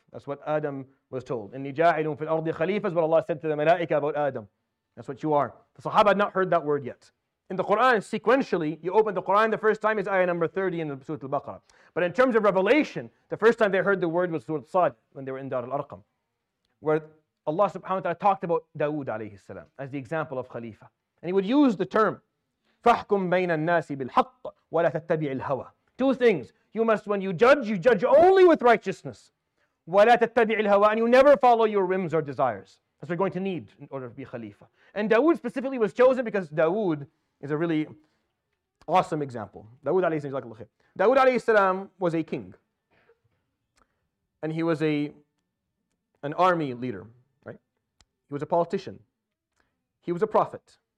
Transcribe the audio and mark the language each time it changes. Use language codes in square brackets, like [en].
[en] That's what Adam was told. [ar] Inni ja'ilun fil ardi khalifa [en] is what Allah said to the malaika about Adam. That's what you are. The Sahaba had not heard that word yet. in the Quran, sequentially, you open the Quran, the first time is ayah number 30 in Surah Al-Baqarah. But in terms of revelation, the first time they heard the word was Surah Sad, when they were in Dar al-Arqam, where Allah subhanahu wa ta'ala talked about Dawood alayhi salam as the example of Khalifa. And he would use the term, [ar] فَحْكُمْ بَيْنَ النَّاسِ بِالْحَقِّ وَلَا تَتَّبِعِ الْهَوَى. [en] Two things. You must, when you judge only with righteousness. [ar] وَلَا تَتَّبِعِ الْهَوَى. [en] And you never follow your whims or desires. That's what you're going to need in order to be Khalifa. And Dawood specifically was chosen because Dawood is a really awesome example. Dawood alayhi salam, jazakallahu khair. Dawood alayhi salam was a king. And he was an army leader. He was a politician. He was a prophet.